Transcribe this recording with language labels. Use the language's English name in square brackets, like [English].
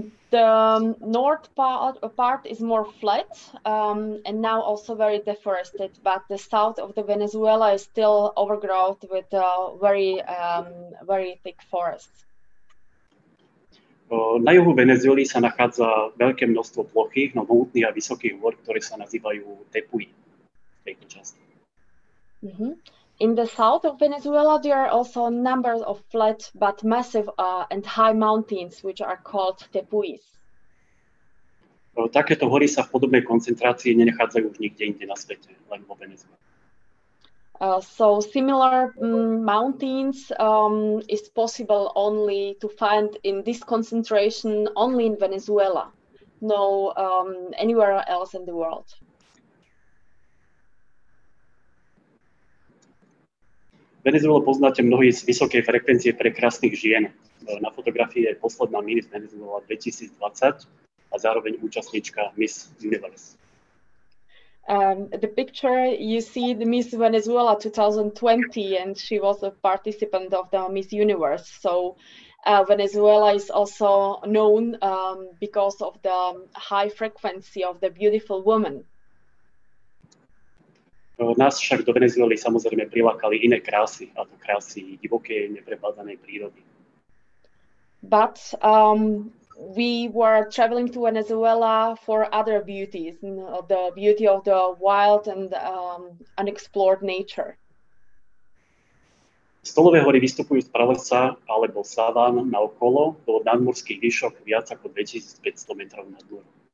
[English] The north part is more flat and now also very deforested, but the south of the Venezuela is still overgrown with very thick forests. [Slovak] Na juhu Venezuely sa nachádza veľké množstvo plochých, no mohutných a vysokých hôr, ktoré sa nazývajú Tepui v tejto časti. Mm-hmm. [English] In the south of Venezuela, there are also numbers of flat but massive and high mountains, which are called Tepuis. [Slovak] Takéto hory sa v podobnej koncentrácii nenachádzajú už nikde inde na svete, len vo Venezuele. [English] So similar mountains is possible only to find in this concentration only in Venezuela, no anywhere else in the world. [Slovak] Venezuelu poznáte mnohí z vysokej frekvencie prekrásnych žien. Na fotografii je posledná Miss Venezuela 2020 a zároveň účastníčka Miss Universe. [English] The picture you see the Miss Venezuela 2020 and she was a participant of the Miss Universe. So Venezuela is also known because of the high frequency of the beautiful woman. [Slovak] Nás však do Venezuely samozrejme prilákali iné krásy, a to krásy divokej, neprebádanej prírody. [English] But we were traveling to Venezuela for other beauties, the beauty of the wild and unexplored nature. [Slovak] Stolové hory vystupujú z pralesa alebo savan na okolo do nadmorských výšok viac ako 2500 metrov nad morom.